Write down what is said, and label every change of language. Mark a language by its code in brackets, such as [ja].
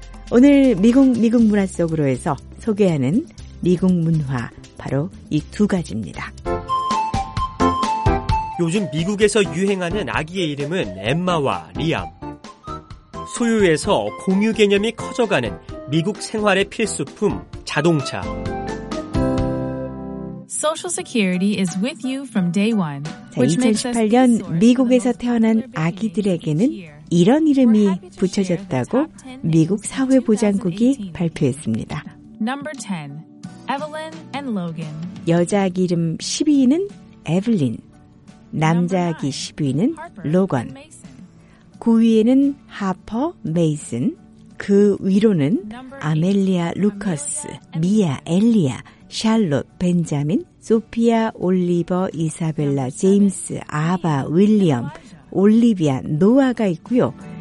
[ko] 오늘 미국 미국 문화 속으로 해서 소개하는 미국 문화 바로 이 두 가지입니다. 요즘 미국에서 유행하는 아기의 이름은 엠마와 리암. 소유에서 공유 개념이 커져가는 미국 생활의 필수품 자동차. [en] Social Security is with you from day one. [ko] 자, 2018년 미국에서 태어난 아기들에게는 이런 이름이 붙여졌다고 미국 사회보장국이 발표했습니다. [en] Number 10, Evelyn and Logan. [ko] 여자 아기 이름 10위는 Evelyn, 남자 아기 10위는 Logan, 9위에는 Harper, Mason, 그 위로는 아멜리아, 루커스, 미아, 엘리아, 샬롯, 벤자민, 소피아, 올리버, 이사벨라, 제임스, 아바, 윌리엄, 올리비아, 노아가 있고요.